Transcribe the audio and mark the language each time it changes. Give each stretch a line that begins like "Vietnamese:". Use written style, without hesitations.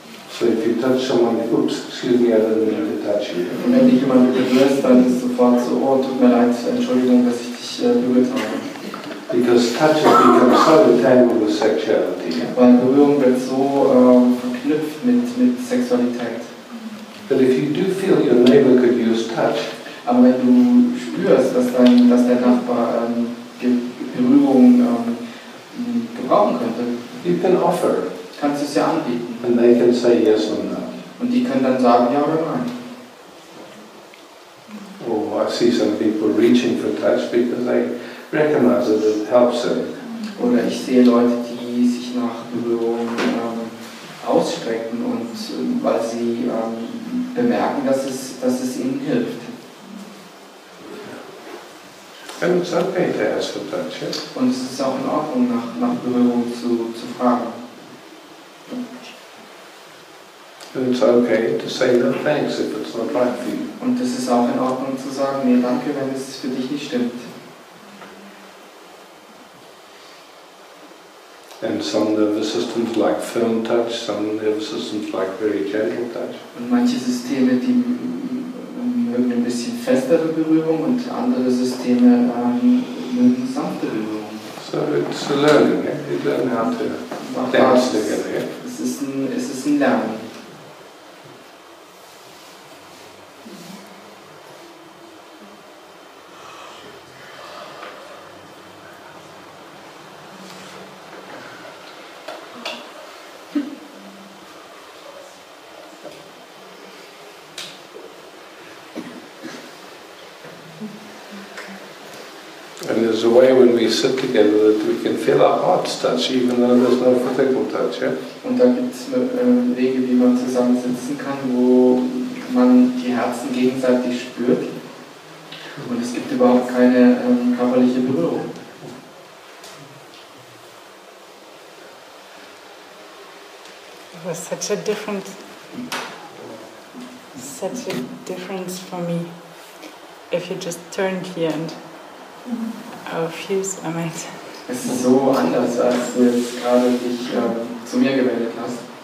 English: So if you touch someone, oops, excuse me, I didn't mean to touch you.
German: Und wenn dich jemand berührt, dann ist sofort so, oh, tut mir leid, Entschuldigung, dass ich dich berührt habe.
English: Because touch has become so entangled with sexuality.
German: Weil Berührung wird so verknüpft mit Sexualität.
English: But if you do feel your neighbor could use touch.
German: Aber wenn du spürst, dass dein Nachbar Berührung gebrauchen könnte,
English: you can offer.
German: Kannst du es ja anbieten.
English: And they can say yes or no.
German: Und die können dann sagen ja oder nein.
English: Oh, I see some people reaching for touch because they recognize that it helps them.
German: Oder ich sehe Leute, die sich nach Berührung ausstrecken und weil sie bemerken, dass es ihnen hilft.
English: And it's okay to ask for touch, yeah?
German: Und es ist auch in Ordnung, nach Berührung zu fragen.
English: And it's okay to say no thanks if it's not right for you.
German: Und es ist auch in Ordnung zu sagen, nee, danke, wenn es für dich nicht stimmt.
English: And some nervous systems like firm touch, some nervous systems like very gentle touch.
German: Und manche Systeme, die mögen ein bisschen festere Berührung und andere Systeme mögen sanfte Berührung.
English: So it's a learning, yeah? You learn how to dance together, yeah?
German: Es ist ein Lernen.
English: Sit together that we can feel our hearts touch even though there's no physical touch, yeah?
German: Und da gibt es Wege, wie man zusammensitzen kann, wo man die Herzen gegenseitig spürt. Und es gibt überhaupt keine körperliche Berührung.
English: It was such a difference for me if you just turned here and refuse, I mean.
German: Es ist so anders, als du jetzt gerade dich zu mir gewendet hast.